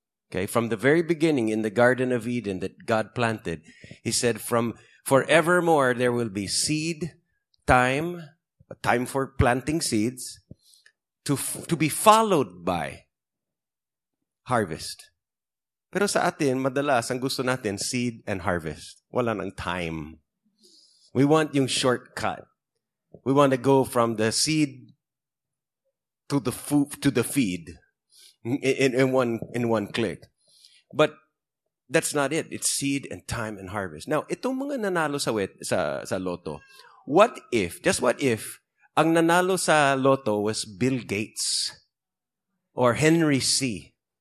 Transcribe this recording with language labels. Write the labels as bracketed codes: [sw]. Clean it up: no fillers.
[en] Okay, from the very beginning in the Garden of Eden that God planted, He said, from forevermore there will be seed time, a time for planting seeds, to be followed by harvest. [tl] Pero sa atin, madalas, ang gusto natin, [en] seed and harvest. [tl] Wala nang [en] time. We want yung shortcut. We want to go from the seed to the food, to the feed in one click. But that's not it. It's seed and time and harvest. [tl] Now, itong mga nanalo sa loto, [en] what if, [tl] ang nanalo sa loto was Bill Gates or Henry C.